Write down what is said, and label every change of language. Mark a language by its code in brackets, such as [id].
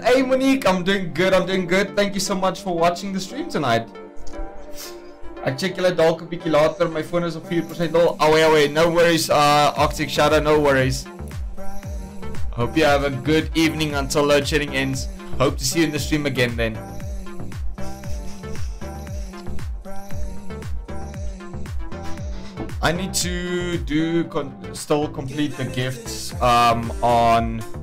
[en] Hey Monique, I'm doing good, I'm doing good. Thank you so much for watching the stream tonight. [af] Ek check julle dalk 'n bietjie later, my foon is op 4% dol. [en] Away, no worries, Arctic Shadow, no worries. Hope you have a good evening until load shedding ends. Hope to see you in the stream again then. I need to do still complete the gifts on...